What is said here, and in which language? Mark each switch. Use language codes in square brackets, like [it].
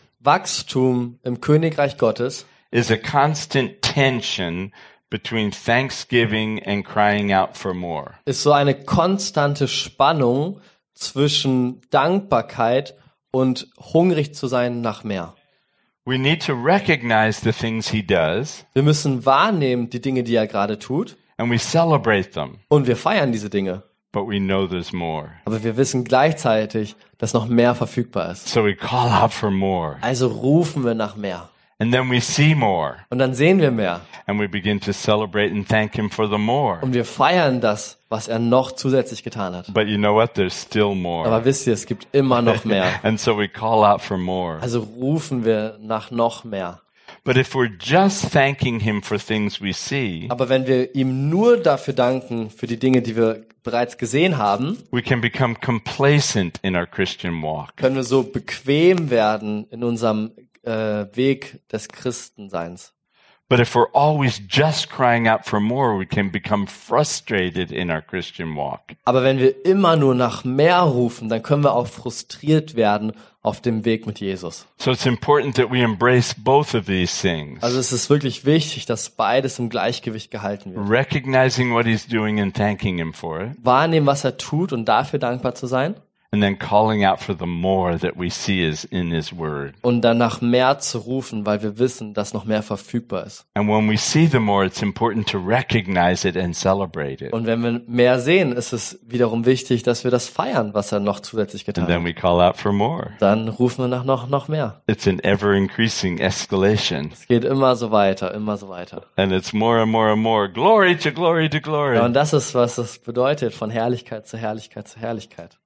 [de] Wachstum im Königreich Gottes. [en] Is a constant tension between thanksgiving and crying out for more. [de] Ist so eine konstante Spannung zwischen Dankbarkeit und hungrig zu sein nach mehr. [en] We need to recognize the things he does. [de] Wir müssen wahrnehmen die Dinge, die er gerade tut. [en] And we celebrate them. [de] Und wir feiern diese Dinge. [en] But we know there's more. [de] Aber wir wissen gleichzeitig, dass noch mehr verfügbar ist. [en] So we call out for more. [de] Also rufen wir nach mehr. [en] And then we see more. [de] Und dann sehen wir mehr. [en] And we begin to celebrate and thank him for the more. [de] Und wir feiern das, was er noch zusätzlich getan hat. [en] But you know what? There's still more. [de] Aber wisst ihr, es gibt immer noch mehr. [en] And so we call out for more. [de] Also rufen wir nach noch mehr. [en] But if we're just thanking him for things we see. [de] Aber wenn wir ihm nur dafür danken für die Dinge, die wir bereits gesehen haben. [en] We can become complacent in our Christian walk. [de] Können wir so bequem werden in unserem Weg des Christenseins. [en] But if we're always just crying out for more, we can become frustrated in our Christian walk. [de] Aber wenn wir immer nur nach mehr rufen, dann können wir auch frustriert werden auf dem Weg mit Jesus. [en] So it's important that we embrace both of these things. [de] Also es ist wirklich wichtig, dass beides im Gleichgewicht gehalten wird. [en] Recognizing what he's doing and thanking him for it. [de] Wahrnehmen, was er tut und dafür dankbar zu sein. [en] And then calling out for the more that we see is in his word. [de] Und danach mehr zu rufen, weil wir wissen, dass noch mehr verfügbar ist. [en] And when we see the more, it's important to recognize it and celebrate it. [de] Und wenn wir mehr sehen, ist es wiederum wichtig, dass wir das feiern, was er noch zusätzlich getan hat. [en] And then we call out for more. [de] Dann rufen wir nach noch mehr. [en] It's an ever increasing escalation. [de] Es geht immer so weiter. [en] And it's more and more and more. Glory to glory to glory. [de] Ja, und das ist, was es bedeutet, von Herrlichkeit zu Herrlichkeit zu Herrlichkeit.